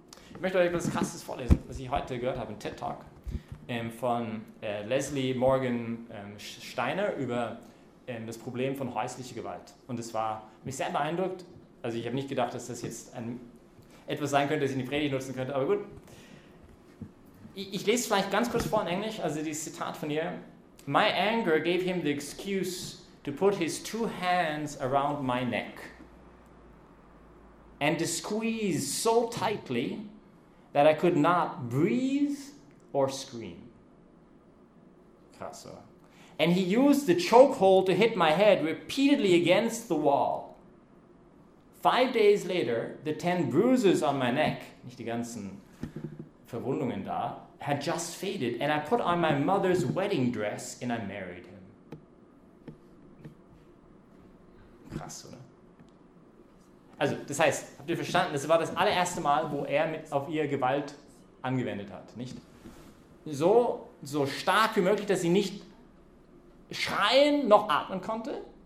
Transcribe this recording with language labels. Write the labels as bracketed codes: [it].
[de] Ich möchte euch etwas Krasses vorlesen, was ich heute gehört habe, ein TED-Talk von Leslie Morgan Steiner über das Problem von häuslicher Gewalt. Und es war mich sehr beeindruckt. Also ich habe nicht gedacht, dass das jetzt etwas sein könnte, das ich in die Predigt nutzen könnte, aber gut. Ich lese es vielleicht ganz kurz vor in Englisch, also dieses Zitat von ihr. [en] My anger gave him the excuse to put his two hands around my neck and to squeeze so tightly that I could not breathe or scream. [de] Krass, oder? [en] And he used the chokehold to hit my head repeatedly against the wall. 5 days later, the 10 bruises on my neck, [de] nicht die ganzen Verwundungen da, [en] had just faded, and I put on my mother's wedding dress, and I married him. [de] Krass, oder? Also, das heißt, habt ihr verstanden, das war das allererste Mal, wo er auf ihr Gewalt angewendet hat, nicht? So stark wie möglich, dass sie nicht schreien noch atmen konnte.